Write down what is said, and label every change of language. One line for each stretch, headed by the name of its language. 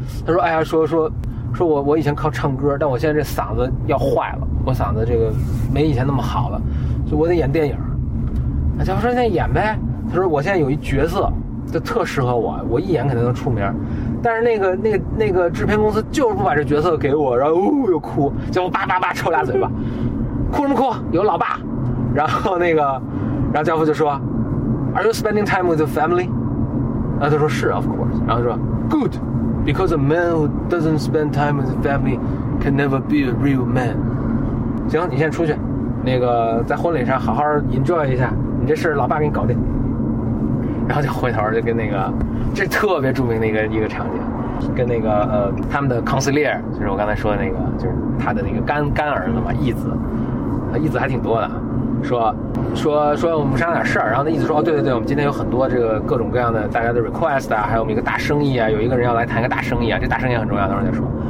Chinese: 他说哎呀，说我以前靠唱歌，但我现在这嗓子要坏了，我嗓子这个没以前那么好了，就我得演电影。那教父说那演呗，他说我现在有一角色。就特适合我，我一眼肯定能出名，但是那个制片公司就是不把这角色给我，然后又哭，叫我叭叭叭抽俩嘴巴，哭什么哭？有老爸，然后那个，然后教父就说 ，
English: Are you spending time with the family？
Chinese: 然后他说是 ，
English: of course。
Chinese: 然后说
English: ，Good，because a man who doesn't spend time with the family can never be a real man。
Chinese: 行，你先出去，那个在婚礼上好好 enjoy 一下，你这事老爸给你搞定。然后就回头就跟那个，这特别著名的一个场景，跟那个他们的 counselor， 就是我刚才说的那个，就是他的那个干儿子嘛，义子，他义子还挺多的，说我们商量点事儿，然后那义子说哦对对对，我们今天有很多这个各种各样的大家的 request 啊，还有我们一个大生意啊，有一个人要来谈一个大生意啊，这大生意很重要，等会儿再说。